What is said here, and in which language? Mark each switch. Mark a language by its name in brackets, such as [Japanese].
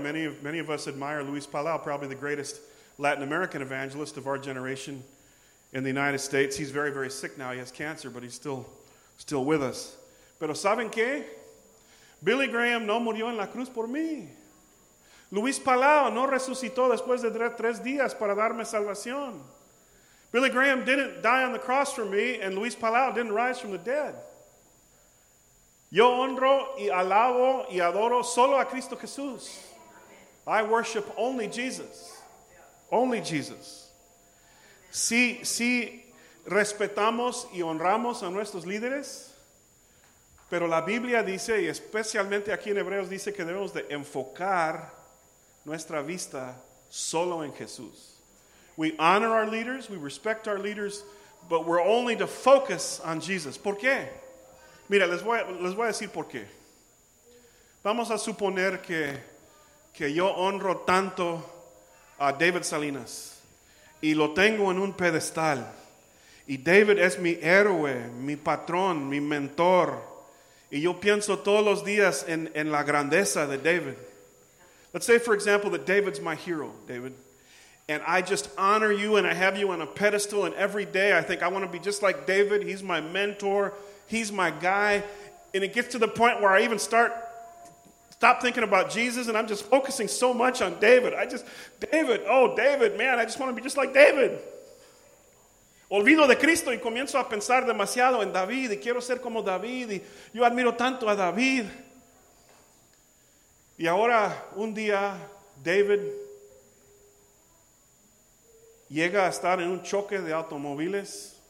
[English] Many of us admire Luis Palau, probably the greatest Latin American evangelist of our generation in the United States. He's very, very sick now. He has cancer, but he's still with us. [Spanish] Pero ¿saben qué? Billy Graham no murió en la cruz por mí. Luis Palau no resucitó después de tres días para darme salvación. [English] Billy Graham didn't die on the cross for me, and Luis Palau didn't rise from the dead. [Spanish] Yo honro y alabo y adoro solo a Cristo Jesús. [English] I worship only Jesus. Only Jesus. [Spanish] Si respetamos y honramos a nuestros líderes, pero la Biblia dice, y especialmente aquí en Hebreos, dice que debemos de enfocar nuestra vista solo en Jesús. [English] We honor our leaders, we respect our leaders, but we're only to focus on Jesus. [Spanish] ¿Por qué? Mira, les voy a decir por qué. Vamos a suponer que yo honro tanto a David Salinas y lo tengo en un pedestal. Y David es mi héroe, mi patrón, mi mentor. Y yo pienso todos los días en la grandeza de David. [English] Let's say, for example, that David's my hero, David. And I just honor you and I have you on a pedestal. And every day I think I want to be just like David. He's my mentor. He's my guy. And it gets to the point where I even stop thinking about Jesus. And I'm just focusing so much on David. I just want to be just like David. [Spanish] Olvido de Cristo y comienzo a pensar demasiado en David. Y quiero ser como David. Y yo admiro tanto a David. Y ahora, un día, David llega a estar en un choque de automóviles.